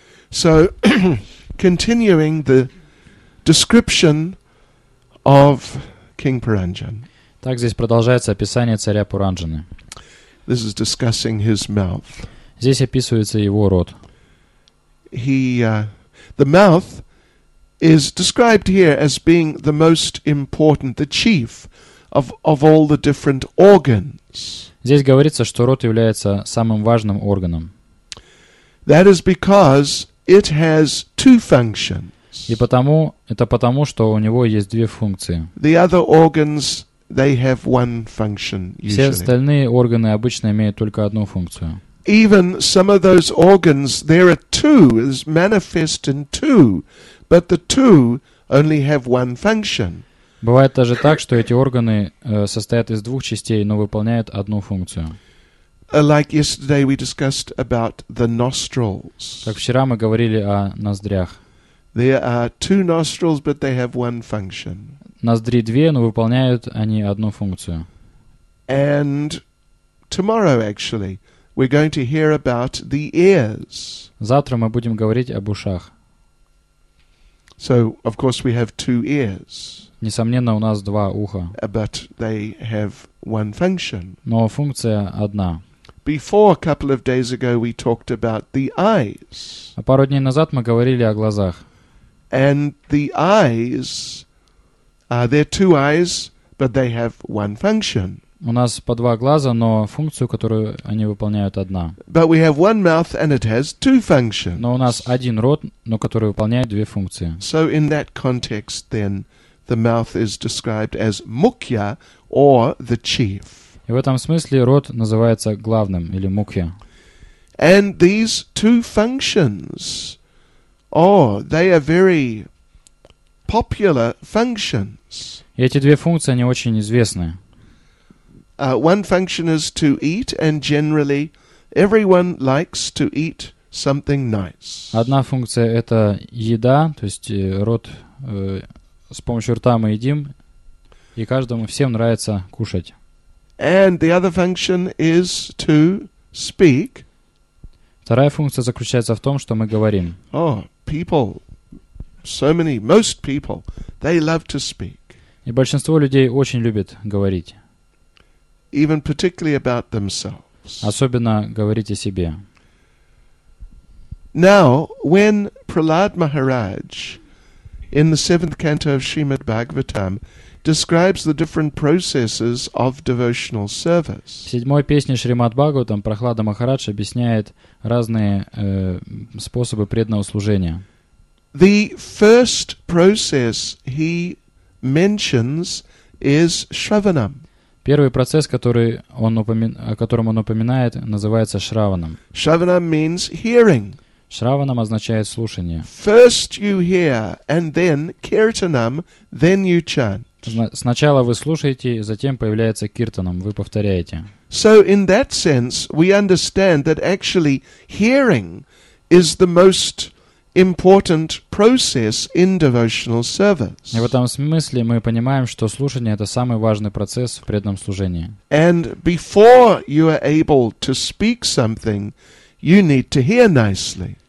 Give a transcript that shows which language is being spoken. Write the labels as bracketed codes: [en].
[en] So, continuing the description of King Paranjan. [ru] Так здесь продолжается описание царя Паранджаны. [en] This is discussing his mouth. [ru] Здесь описывается его рот. [en] The mouth is described here as being the most important, the chief of all the different organs. [ru] Здесь говорится, что рот является самым важным органом. [en] That is because it has two functions. [ru] И потому, это потому, что у него есть две функции. [en] The other organs, they have one function usually. [ru] Все остальные органы обычно имеют только одну функцию. [en] Even some of those organs, there are two, is manifest in two, but the two only have one function. [ru] Бывает даже так, что эти органы состоят из двух частей, но выполняют одну функцию. [en] Like yesterday we discussed about the nostrils. [ru] Как вчера мы говорили о ноздрях. [en] There are two nostrils, but they have one function. [ru] Ноздри две, но выполняют они одну функцию. [en] And tomorrow, actually, we're going to hear about the ears. [ru] Завтра мы будем говорить об ушах. [en] So, of course, we have two ears. [ru] Несомненно, у нас два уха. [en] But they have one function. [ru] Но функция одна. [en] Before a couple of days ago, we talked about the eyes. [ru] А пару дней назад мы говорили о глазах. [en] And the eyes, there are two eyes, but they have one function. [ru] У нас по два глаза, но функцию, которую они выполняют, одна. [en] But we have one mouth and it has two functions. [ru] Но у нас один рот, но который выполняет две функции. [en] So in that context, then, the mouth is described as mukhya or the chief. [ru] И в этом смысле рот называется главным или мукхья. [en] And these two functions, oh, they are very popular functions. [ru] И эти две функции, они очень известны. [en] One function is to eat, and generally everyone likes to eat something nice. [ru] Одна функция — это еда, то есть рот, с помощью рта мы едим, и каждому, всем нравится кушать. [en] And the other function is to speak. [ru] Вторая функция заключается в том, что мы говорим. [en] Oh, people, so many, most people, they love to speak. [ru] И большинство людей очень любят говорить. [en] Even particularly about themselves. [ru] Особенно говорить о себе. [en] Now, when Prahlad Maharaj, in the seventh canto of Srimad Bhagavatam, describes the different processes of devotional service. [ru] В седьмой песне Шримад Бхагаватам Прахлада Махарадж объясняет разные способы преданного служения. [en] The first process he mentions is Shravanam. [ru] Первый процесс, который он о котором он упоминает, называется Шраванам. [en] Shravanam means hearing. [ru] Шраванам означает слушание. [en] First you hear, and then kirtanam, then you chant. [ru] Сначала вы слушаете, затем появляется киртанам, вы повторяете. [en] So in that sense, we understand that actually hearing is the most important process in devotional service. [ru] В этом смысле мы понимаем, что слушание — это самый важный процесс в преданном служении. [en] And before you are able to speak something, you need to hear nicely.